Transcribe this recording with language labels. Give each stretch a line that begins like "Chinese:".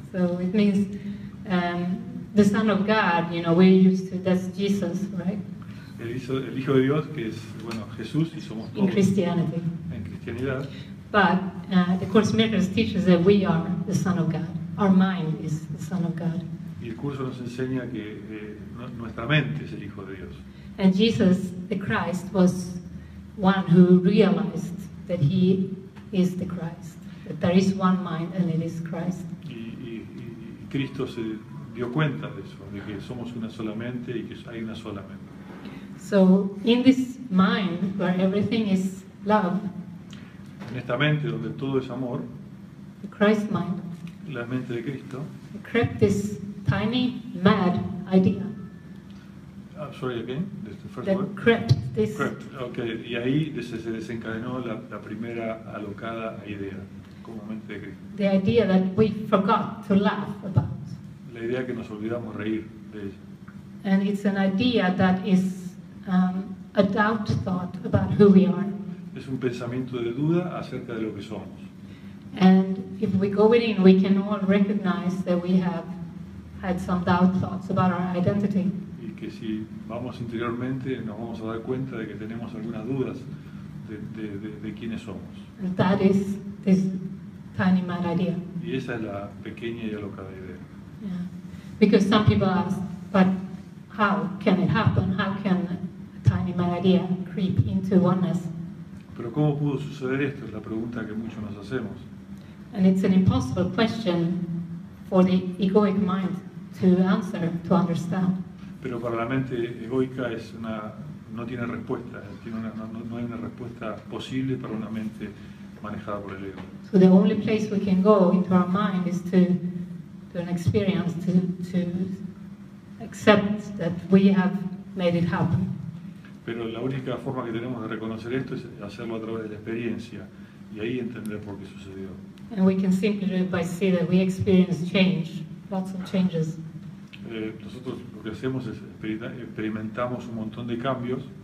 English: So it means the Son of God, you know, we're used to, that's Jesus, right?
Spanish: El Hijo de Dios, que es, bueno, Jesús, y somos todos.
English: In Christianity.
Spanish: En cristianidad.
English: But the Course in Miracles teaches that we are the Son of God. Our mind is the Son of God.
Spanish: Y el curso nos enseña que nuestra mente es el Hijo de Dios.
English: And Jesus, the Christ, was one who realized that he is the Christ. That there is one mind and it is Christ.
Spanish: Y Cristo se dio cuenta de eso, de que somos una sola mente y que hay una sola mente.
English: So, in this mind, where everything is love,
Spanish: en esta mente donde todo es amor,
English: the Christ mind,
Spanish: la mente de Cristo,
English: the crept is tiny mad idea. Sorry again, that's the first that Crept this. Crept. Okay.
Spanish: Y ahí se desencadenó la primera alocada idea como mente de Cristo.
English: The idea that we forgot to laugh about.
Spanish: La idea que nos olvidamos reír de ella.
English: And it's an idea that is a doubt thought about who we are.
Spanish: Es un pensamiento de duda acerca de lo que somos.
English: And if we go within, we can all recognize that we have had some doubt thoughts about our identity.
Spanish: Y que si vamos interiormente nos vamos a dar cuenta de que tenemos algunas dudas de quiénes somos.
English: And that is this tiny mad idea.
Spanish: Y esa es la pequeña y alocada idea.
English: Yeah. Because some people ask, but how can it happen? How can a tiny mad idea creep into oneness?
Spanish: Pero ¿cómo pudo suceder esto? Es la pregunta que muchos nos hacemos.
English: And it's an impossible question for the egoic mind to answer, to understand.
Spanish: Pero para la mente egoica es una, no tiene respuesta, tiene una, no hay una respuesta posible para una mente manejada por el ego.
English: So the only place we can go into our mind is to an experience, to accept that we have made it happen.
Spanish: Pero la única forma que tenemos de reconocer esto es hacerlo a través de la experiencia y ahí entender por qué sucedió.
English: And we can simply do it by seeing that we experience change, lots of changes.
Spanish: Nosotros lo que hacemos es experimentamos un montón de cambios.